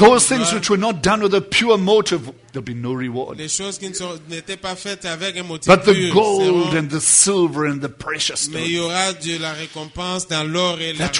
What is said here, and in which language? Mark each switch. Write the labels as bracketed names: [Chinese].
[English] those things which were not done with a pure motive. There'll be no reward. [French] Les choses qui n'étaient pas faites avec un motif [English] but the gold and the silver and the precious stone. Mais il y aura de la récompense dans l'or et l'argent.